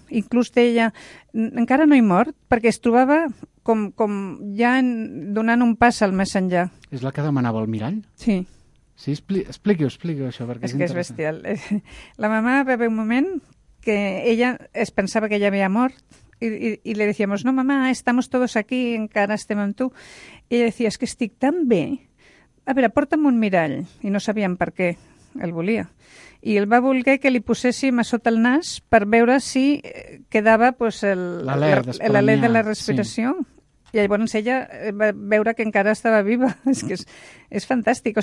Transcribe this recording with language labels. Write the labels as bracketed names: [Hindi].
[Catalan] Inclús deia, encara no he mort, perquè es trobava com ja donant un pas al més enllà. És la que demanava el mirall? Sí. Sí, expliqui-ho això, perquè és interessant. És que és bestial. La mamà va haver un moment que ella es pensava que ja havia mort, [Spanish] Y le decíamos, no, mamá, estamos todos aquí, [Catalan] encara estem amb tu. [Spanish] Y ella decía, es que [Catalan] estic tan bé. [Spanish] A ver, [Catalan] porta'm un mirall. I no sabíem per què el volia. I el va voler que li poséssim a sota el nas per veure si quedava pues, l'alè de la respiració. Sí. I llavors ella va veure que encara estava viva. És que és fantàstic.